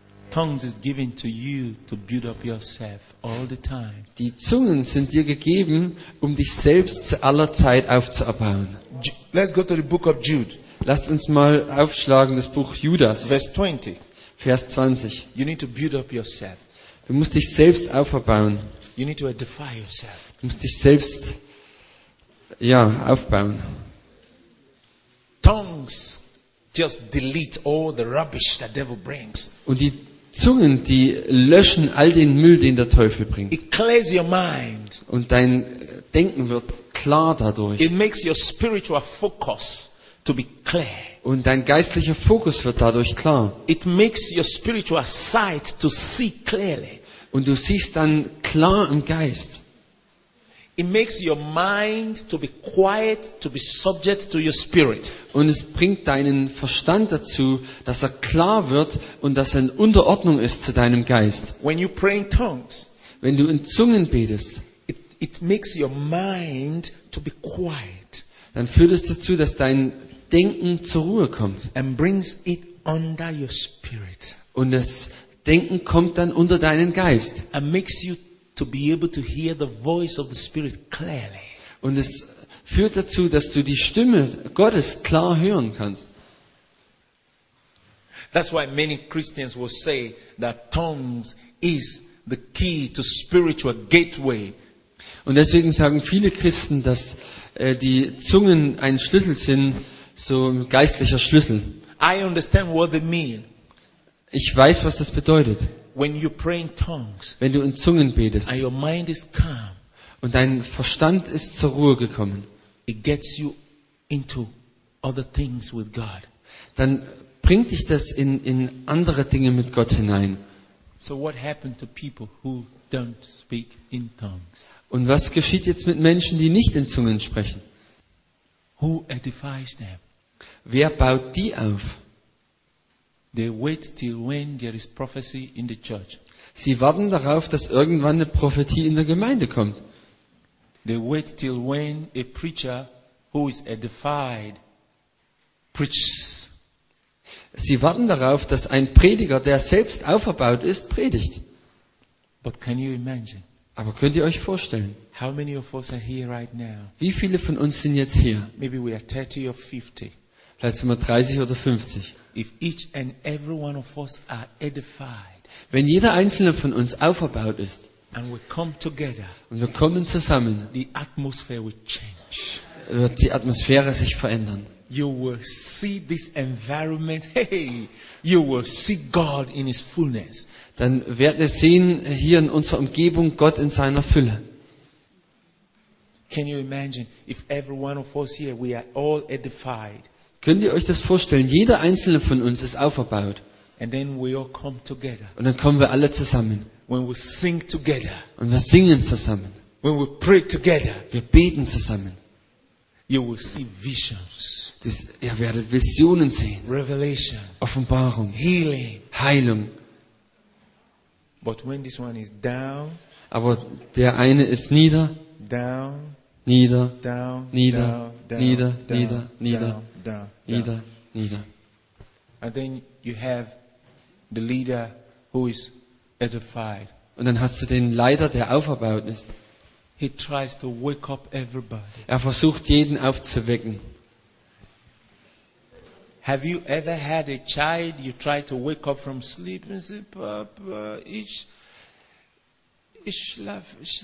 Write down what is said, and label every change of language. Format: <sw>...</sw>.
<en>Tongues is given to you to build up yourself all the time.</en> <de>Die Zungen sind dir gegeben, um dich selbst zu aller Zeit aufzubauen.</de> <en>Let's go to the book of Jude.</en> <de>Lasst uns mal aufschlagen das Buch Judas.</de> <en>Verse 20.</en> <de>Vers 20.</de> <en>You need to build up yourself.</en> <de>Du musst dich selbst aufbauen.</de> <en>You need to edify yourself.</en> <de>musst dich selbst aufbauen.</de> <en>Tongues just delete all the rubbish the devil brings.</en> <de>Und die Zungen, die löschen all den Müll, den der Teufel bringt.</de> <en>It clears your mind.</en> <de>Und dein Denken wird klar dadurch.</de> <en>It makes your spiritual focus to be clear.</en> <de>Und dein geistlicher Fokus wird dadurch klar.</de> <en>It makes your spiritual sight to see clearly.</en> <de>Und du siehst dann klar im Geist.</de> <en>It makes your mind to be quiet, to be subject to your spirit.</en> <de>Und es bringt deinen Verstand dazu, dass er klar wird und dass er in Unterordnung ist zu deinem Geist.</de> <en>When you pray in tongues,</en> <de>wenn du in Zungen betest,</de> <en>it makes your mind to be quiet.</en> <de>Dann führt es dazu, dass dein Denken zur Ruhe kommt.</de> <en>And brings it under your spirit.</en> <de>Und das Denken kommt dann unter deinen Geist.</de> <en>And makes you to be able to hear the voice of the Spirit clearly.</en> <de>Und es führt dazu, dass du die Stimme Gottes klar hören kannst.</de> <en>That's why many Christians will say that tongues is the key to spiritual gateway.</en> <de>Und deswegen sagen viele Christen, dass die Zungen ein Schlüssel sind, so ein geistlicher Schlüssel.</de> <en>I understand what they mean.</en> <de>Ich weiß, was das bedeutet.</de> <en>When you pray in tongues,</en> <de>wenn du in Zungen betest,</de> <en>and your mind is calm,</en> <de>und dein Verstand ist zur Ruhe gekommen,</de> <en>it gets you into other things with God.</en> <de>Dann bringt dich das in andere Dinge mit Gott hinein.</de> <en>So what happened to people who don't speak in tongues?</en> <de>Und was geschieht jetzt mit Menschen, die nicht in Zungen sprechen?</de> <en>Who edifies them?</en> <de>Wer baut die auf?</de> <en>They wait till when there is prophecy in the church.</en> <de>Sie warten darauf, dass irgendwann eine Prophetie in der Gemeinde kommt.</de> <en>They wait till when a preacher who is edified preaches.</en> <de>Sie warten darauf, dass ein Prediger, der selbst auferbaut ist, predigt.</de> <en>But can you imagine?</en> <de>Aber könnt ihr euch vorstellen?</de> <en>How many of us are here right now?</en> <de>Wie viele von uns sind jetzt hier?</de> <en>Maybe we are 30 or 50.</en> <de>Vielleicht sind wir 30 oder 50.</de> <en>If each and every one of us are edified,</en> <de>wenn jeder einzelne von uns auferbaut ist,</de> <en>and we come together,</en> <de>und wir kommen zusammen,</de> <en>the atmosphere will change.</en> <de>Wird die Atmosphäre sich verändern.</de> <en>You will see this environment. Hey, you will see God in His fullness.</en> <de>Dann werdet ihr sehen hier in unserer Umgebung Gott in seiner Fülle.</de> <en>Can you imagine if every one of us here we are all edified?</en> <de>Könnt ihr euch das vorstellen? Jeder einzelne von uns ist auferbaut.</de> <en>And then we all come together.</en> <de>Und dann kommen wir alle zusammen.</de> <en>When we sing together.</en> <de>Und wir singen zusammen.</de> <en>When we pray together.</en> <de>Wir beten zusammen.</de> <en>You will see visions.</en> <de>Ihr werdet Visionen sehen.</de> <en>Revelation.</en> <de>Offenbarung.</de> <en>Healing.</en> <de>Heilung.</de> <en>But when this one is down,</en> <de>aber der eine ist nieder.</de> <en>Down.</en> <de>Nieder.</de> <en>Down.</en> <de>Nieder.</de> <en>Down,</en> <de>nieder.</de> <en>Down,</en> <de>nieder.</de> <en>Down,</en> <de>nieder.</de> <en>Down, down,</en> <de>nieder,</de> <en>down.</en> <de>Nieder.</de> <en>And then you have the leader who is edified.</en> <de>Und dann hast du den Leiter, der auferbaut ist.</de> <en>He tries to wake up everybody.</en> <de>Er versucht jeden aufzuwecken.</de> <en>Have you ever had a child you try to wake up from sleep and say, Papa,</en> <de>ich schlafe.</de>